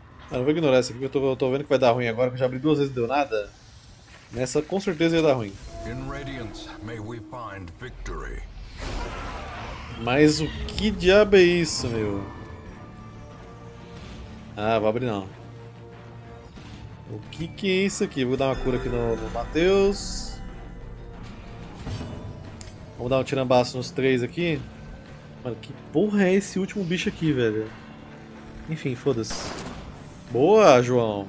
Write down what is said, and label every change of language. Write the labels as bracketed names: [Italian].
[Portuguese] Eu não vou ignorar isso aqui que eu tô vendo que vai dar ruim agora, que eu já abri duas vezes e deu nada. Nessa com certeza ia dar ruim. [English] In Radiance, may we find victory. [Portuguese] Mas o que diabo é isso, meu? Ah, vou abrir não. O que que é isso aqui? Vou dar uma cura aqui no Matheus. Vamos dar um tirambaço nos três aqui. Mano, que porra é esse último bicho aqui, velho? Enfim, foda-se. Boa, João.